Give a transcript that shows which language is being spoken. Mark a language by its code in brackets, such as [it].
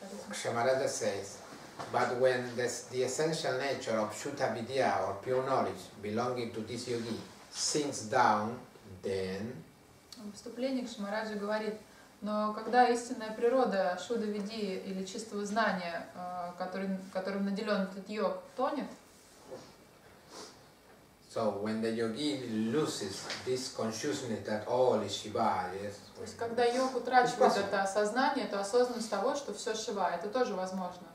[en] Kshamarada says, but when the essential nature of Shuddha Vidya or pure knowledge belonging to this yogi sinks down, then. [ru] Вступление Кшамараджа говорит, но когда истинная природа Шудда Видьи или чистого знания, которым наделен этот йог, тонет. [en] So when the yogi loses this consciousness that all is Shiva, yes. [ru] То есть когда йог утрачивает это осознание, это осознанность того, что все Шива, это тоже возможно.